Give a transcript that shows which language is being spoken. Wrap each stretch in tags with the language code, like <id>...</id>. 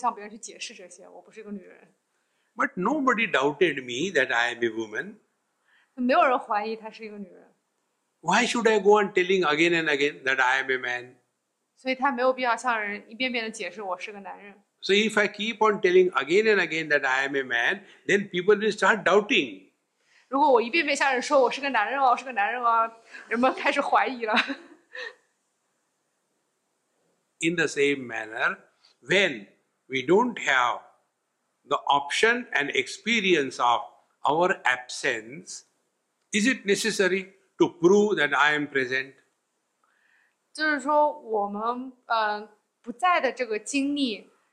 <zh>所以你不用向人去解释说我是个男人，你看我还有胡子，你不用向别人去解释这些，我不是个女人。</zh> <en>But nobody doubted me that I am a woman.</en> <zh>没有人怀疑她是一个女人。</zh> <en>Why should I go on telling again and again that I am a man?</en> <zh>所以她没有必要向人一遍遍地解释我是个男人。</zh> <en>So if I keep on telling again and again that I am a man, then people will start doubting.</en> <zh>如果我一遍遍向人说我是个男人哦，我是个男人哦，人们开始怀疑了。</zh> <en>In the same manner, when we don't have the option and experience of our absence, is it necessary to prove that I am present?</en> <zh>就是说我们不在的这个经历。</zh>